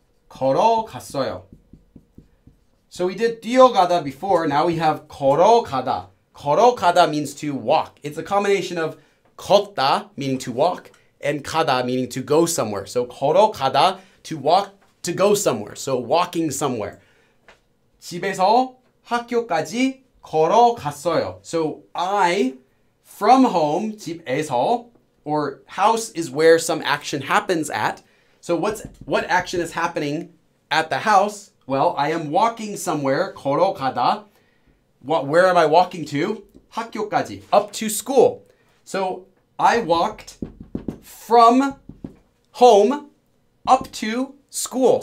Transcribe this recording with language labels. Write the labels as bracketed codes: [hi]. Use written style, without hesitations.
[en] 걸어갔어요. So we did 뛰어가다 before, now we have 걸어가다. 걸어가다 means to walk. It's a combination of 걷다, meaning to walk, and 가다 meaning to go somewhere. So 걸어가다, to walk to go somewhere. So walking somewhere. [ko] 집에서 학교까지 걸어갔어요. [en] So I, from home, [ko] 집에서, [en] or house is where some action happens at. So what action is happening at the house? Well, I am walking somewhere, [ko] 걸어가다. [en] Where am I walking to? [ko] 학교까지. [en] Up to school. So I walked from home up to school.